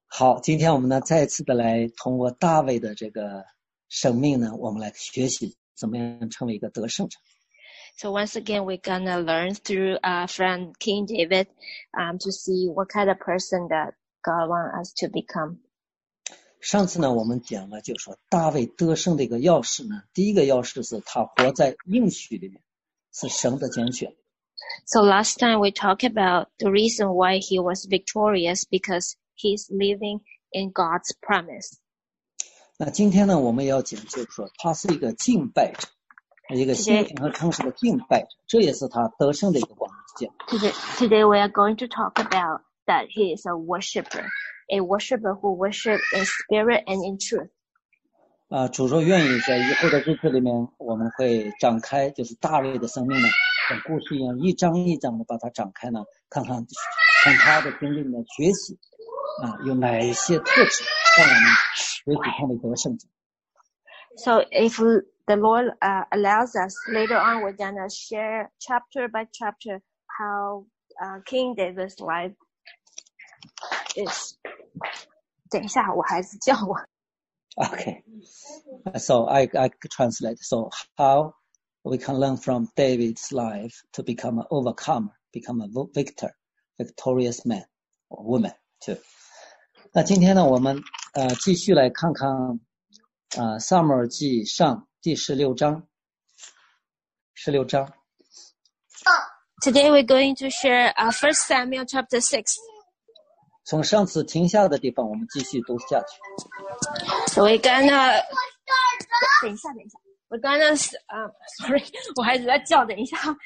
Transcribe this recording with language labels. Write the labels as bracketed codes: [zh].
[zh] 好，今天我们呢，再次的来通过大卫的这个生命呢，我们来学习怎么样成为一个得胜者。 [en] So once again, we're gonna learn through from King David, to see what kind of person that God wants us to become. [zh] 上次呢，我们讲了，就说大卫得胜的一个钥匙呢，第一个钥匙是他活在应许里面，是神的拣选。 [en] So last time we talked about the reason why he was victorious because he's living in God's promise. [zh] 那今天呢，我们要讲，就是说，他是一个敬拜者，一个心诚和诚实的敬拜者，这也是他得胜的一个关键。 [en] Today we are going to talk about that he is a worshipper who worships in spirit and in truth. [zh] 主若愿意，在以后的日子里面，我们会展开，就是大卫的生命呢，像故事一样，一章一章的把它展开呢，看看从他的经历里面学习，有哪一些特质，让我们学习成为得胜者。 [en] So if the Lord allows us later on, we're gonna share chapter by chapter how King David's life is. [zh] 等一下，我孩子叫我。 [en] Okay, so I translate. So how we can learn from David's life to become an overcomer, become a victor, victorious man or woman too. [zh] 那今天呢，我们继续来看看撒母耳记上第十六章。 [en] Today we're going to share First Samuel chapter 6. [zh] 从上次停下的地方，我们继续读下去。 [en] So we're gonna [zh] 等一下。 [en] We're gonna sorry, [zh] 我孩子在叫，等一下。